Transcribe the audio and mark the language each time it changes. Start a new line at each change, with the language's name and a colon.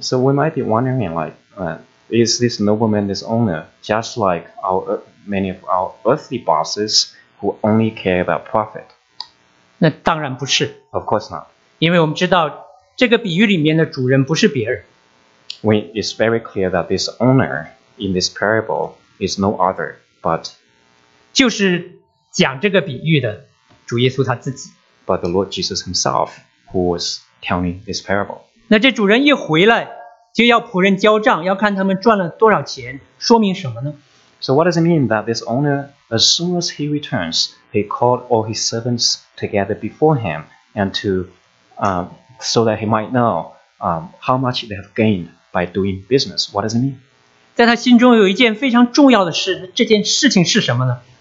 English: So we might be wondering, like, is this nobleman, this owner, just like many of our earthly bosses who only care about profit?
Chinese: 那当然不是。
English: Of course not.
Chinese: 因为我们知道这个比喻里面的主人不是别人。
English: When it's very clear that this owner in this parable is no other but
Chinese: 就是讲这个比喻的主耶稣他自己
English: but the Lord Jesus himself who was telling this parable.
Chinese: 那这主人一回来就要仆人交账，要看他们赚了多少钱，说明什么呢？
English: So what does it mean that this owner, as soon as he returns, he called all his servants together before him and to so that he might knowhow much they have gained by doing business. What does it mean?
Chinese: 在他心中有一件非常重要的事，这件事情是什么呢？